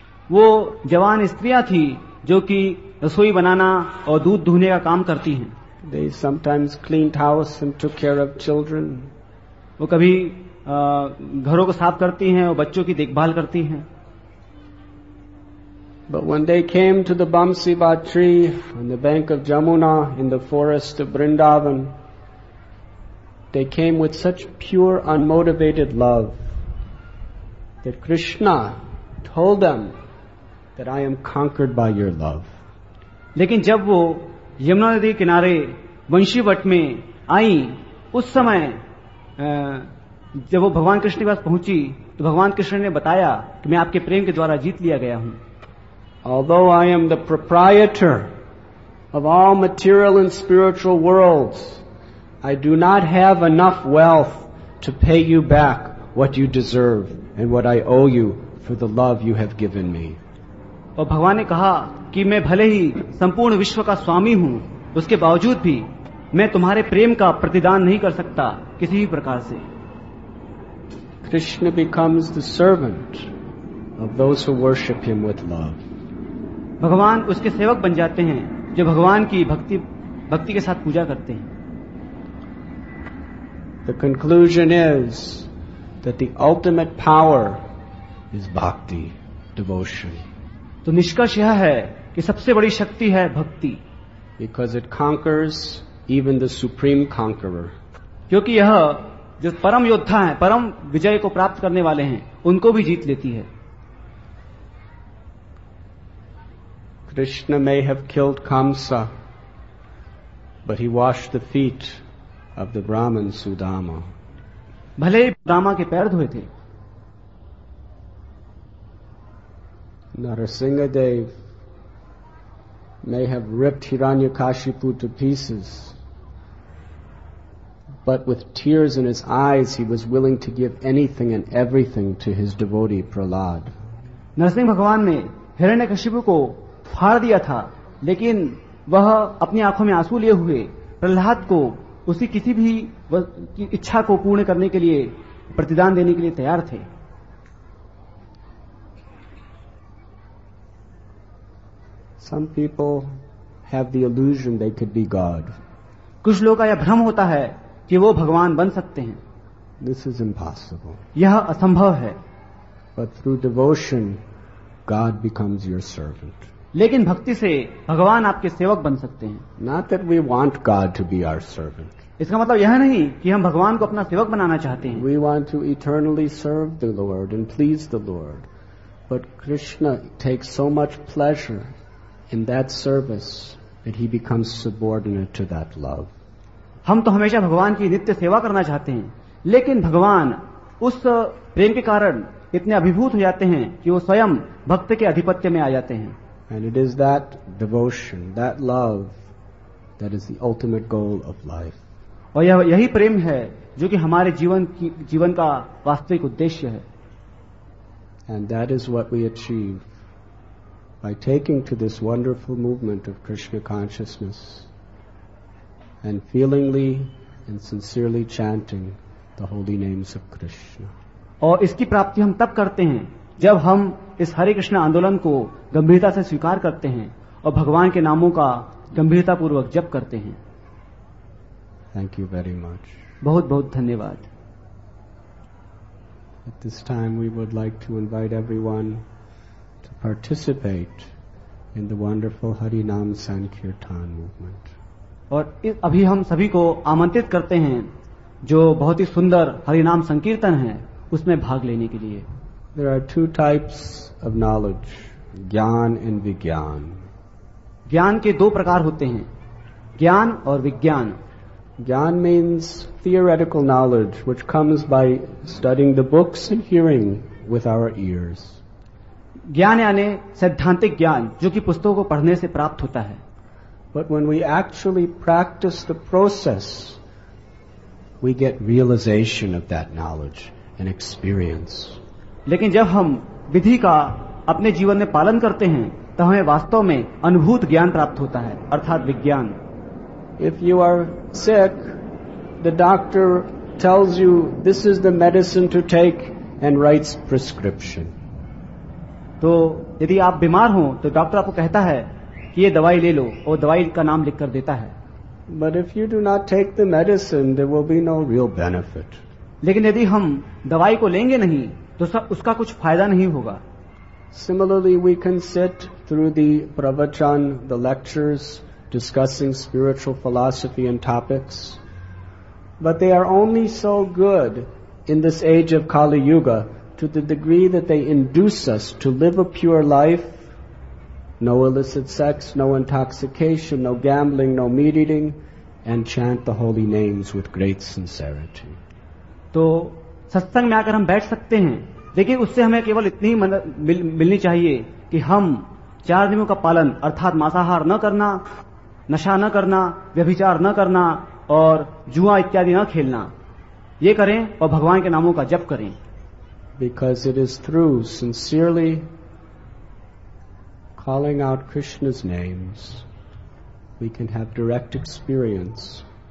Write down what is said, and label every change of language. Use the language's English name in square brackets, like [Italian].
[Hindi] वो जवान स्त्रियां थी जो कि रसोई बनाना और दूध दुहने का काम करती हैं. [English] they sometimes cleaned house and took care of children, [Hindi] वो कभी घरों को साफ करती हैं और बच्चों की देखभाल करती हैं. [English] But when they came to the Bamsiba tree on the bank of Jamuna in the forest of Vrindavan, they came with such pure unmotivated love that Krishna told them that I am conquered by your love. [Hindi] लेकिन जब वो यमुना नदी किनारे वंशीवट में आई, उस समय जब वो भगवान कृष्ण के पास पहुंची तो भगवान कृष्ण ने बताया कि मैं आपके प्रेम के द्वारा जीत लिया गया हूं. [English] Although I am the proprietor of all material and spiritual worlds, I do not have enough wealth to pay you back what you deserve and what I owe you for the love you have given me. [Hindi] और भगवान ने कहा कि मैं भले ही संपूर्ण विश्व का स्वामी हूँ, उसके बावजूद भी मैं तुम्हारे प्रेम का प्रतिदान नहीं कर सकता किसी भी प्रकार से. [English] Krishna becomes the servant of those who worship him with love. [Hindi] भगवान उसके सेवक बन जाते हैं जो भगवान की भक्ति भक्ति के साथ पूजा करते हैं. [English] The conclusion is that the ultimate power is bhakti, devotion. [Hindi] तो निष्कर्ष यह है कि सबसे बड़ी शक्ति है भक्ति. [English] Because it conquers even the supreme conqueror. [Hindi] क्योंकि यह जो परम योद्धा है, परम विजय को प्राप्त करने वाले हैं, उनको भी जीत लेती है. [English] Krishna may have killed Kamsa, but he washed the feet of the Brahmin Sudama. [Hindi] भले ही ब्राह्मण के पैर धोए थे. [English] Narasingadev may have ripped Hiranyakashipu to pieces, but with tears in his eyes he was willing to give anything and everything to his devotee Prahlad. [Hindi] Narasimha भगवान ने हिरण्यकशिपु को फाड़ दिया था, लेकिन वह अपनी आंखों में आंसू लिए हुए प्रहलाद को उसी किसी भी इच्छा को पूर्ण करने के लिए प्रतिदान देने के लिए तैयार थे. [English] Some people have the illusion they could be God. [Hindi] कुछ लोगों का यह भ्रम होता है कि वो भगवान बन सकते हैं. [English] This is impossible. [Hindi] यह असंभव है. [English] But through devotion, God becomes your servant. [Hindi] लेकिन भक्ति से भगवान आपके सेवक बन सकते हैं. [English] Not that we want God to be our servant. [Hindi] इसका मतलब यह नहीं कि हम भगवान को अपना सेवक बनाना चाहते हैं. [English] We want to eternally serve the Lord and please the Lord. But Krishna takes so much pleasure in that service that he becomes subordinate to that love. [Hindi] हम तो हमेशा भगवान की नित्य सेवा करना चाहते हैं, लेकिन भगवान उस प्रेम के कारण इतने अभिभूत हो जाते हैं कि वो स्वयं भक्त के अधिपत्य में आ जाते हैं. [English] And it is that devotion, that love, that is the ultimate goal of life. [Hindi] और यही प्रेम है जो कि हमारे जीवन का वास्तविक उद्देश्य है. [English] And that is what we achieve by taking to this wonderful movement of Krishna consciousness and feelingly and sincerely chanting the holy names of Krishna. [Hindi] और इसकी प्राप्ति हम तब करते हैं जब हम इस हरे कृष्ण आंदोलन को गंभीरता से स्वीकार करते हैं और भगवान के नामों का गंभीरतापूर्वक जप करते हैं. [English] Thank you very much. [Hindi] बहुत बहुत धन्यवाद. [English] At this time we would like to invite everyone to participate in the wonderful Hari naam sankirtan movement. [Hindi] और अभी हम सभी को आमंत्रित करते हैं जो बहुत ही सुंदर हरिनाम संकीर्तन है उसमें भाग लेने के लिए. [English] There are two types of knowledge, gyan and vigyan. [Hindi] ज्ञान के दो प्रकार होते हैं, ज्ञान और विज्ञान. [English] Gyan means theoretical knowledge which comes by studying the books and hearing with our ears. [Hindi] ज्ञान यानी सैद्धांतिक ज्ञान जो कि पुस्तकों को पढ़ने से प्राप्त होता है. [English] But when we actually practice the process we get realization of that knowledge and experience. [Hindi] लेकिन जब हम विधि का अपने जीवन में पालन करते हैं तो हमें वास्तव में अनुभूत ज्ञान प्राप्त होता है अर्थात विज्ञान. [English] If you are sick, the doctor tells you this is the medicine to take and writes prescription. [Hindi] तो यदि आप बीमार हो तो डॉक्टर आपको कहता है कि ये दवाई ले लो और दवाई का नाम लिखकर देता है. [English] But if you do not take the medicine, there will be no real benefit. [Hindi] लेकिन यदि हम दवाई को लेंगे नहीं तो उसका कुछ फायदा नहीं होगा. [English] Similarly, we can sit through the pravachan, the lectures discussing spiritual philosophy and topics, but they are only so good in this age of Kali Yuga to the degree that they induce us to live a pure life. No illicit sex, no intoxication, no gambling, no meat eating, and chant the holy names with great sincerity. [Hindi] तो सत्संग में आकर हम बैठ सकते हैं लेकिन उससे हमें केवल इतनी ही मिलनी चाहिए कि हम चार नियमों का पालन अर्थात मांसाहार न करना, नशा न करना, व्यभिचार न करना और जुआ इत्यादि न खेलना, ये करें और भगवान के नामों का जप करें. [English] Because it is through sincerely calling out Krishna's names, we can have direct experience